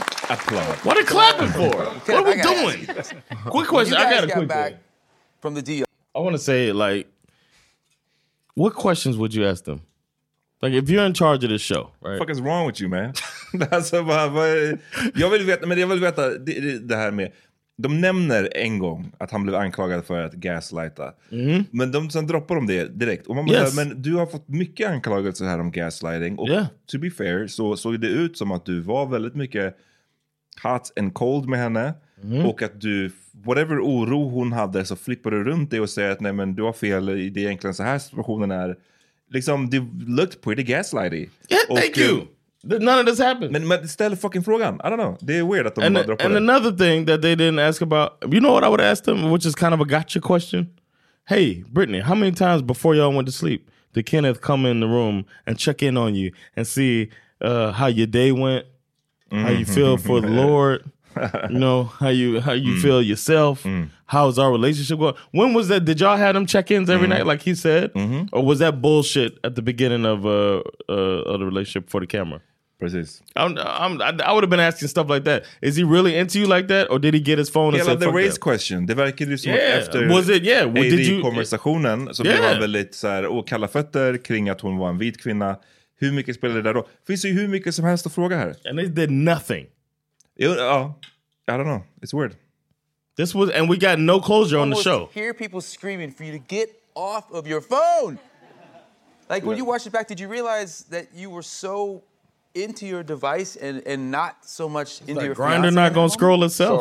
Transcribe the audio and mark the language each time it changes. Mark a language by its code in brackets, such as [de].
[en] Applause. What are clapping for? What are we doing? Quick question. I got a quick back question. From the DR. I want to say, like, what questions would you ask them? Like, if you're in charge of this show, right? What the fuck is wrong with you, man? That's [sv] jag vill veta det här med... De nämner en gång att han blev anklagad för att gaslighta. Mm. Men sen droppar de det direkt. Och man [en] yes. [sv] Men du har fått mycket anklagelser här om gaslighting. Och [en] yeah. To be fair [sv] så såg det ut som att du var väldigt mycket [en] hot and cold [sv] med henne. Mm. Och att du, whatever oro hon hade, så flippade du runt det och säger att nej, men du har fel. Det är egentligen så här situationen är. Liksom, det [en] looked pretty gaslighty. Yeah, thank you! None of this happened. [sv] Men ställ fucking frågan. [en] I don't know. [sv] Det är weird att de bara droppar det. [en] And another thing that they didn't ask about, you know what I would ask them, which is kind of a gotcha question? Hey, Brittany, how many times before y'all went to sleep did Kenneth come in the room and check in on you and see how your day went, how you feel for the Lord, you know, how you feel yourself, how's our relationship going? When was that? Did y'all have them check-ins every night, like he said? Mm-hmm. Or was that bullshit at the beginning of the relationship for the camera? [sv] Precis. [en] I would have been asking stuff like that. Is he really into you like that? Or did he get his phone and say, the race question. [sv] Det verkar ju som efter AD-konversationen så blev han väldigt så här, kalla fötter kring att hon var en vit kvinna. Hur mycket spelade det där då? Finns det ju hur mycket som helst att fråga här. [en] And they did nothing. I don't know. It's weird. This was, and we got no closure on the show. I almost hear people screaming for you to get off of your phone. Like, when you watched it back, did you realize that you were so into your device and not so much into your fiance? Grindr not going to scroll itself.